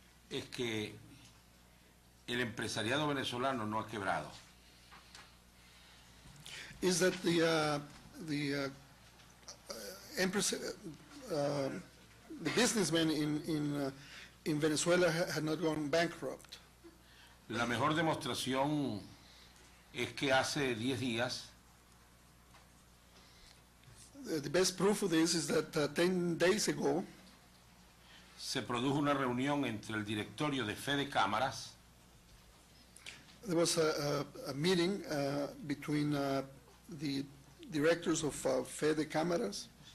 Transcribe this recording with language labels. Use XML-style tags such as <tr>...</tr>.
<es>Es que el empresariado venezolano no ha quebrado.</es> <en>Is that the businessman in Venezuela had not gone bankrupt.</en> <es>La mejor demostración es que hace 10 días</es> <en>the best proof of this is that 10 days ago</en> <es>se produjo una reunión entre el directorio de Fede Cámaras.</es> <en>There was a meeting between the directors of Fede Cámaras</en>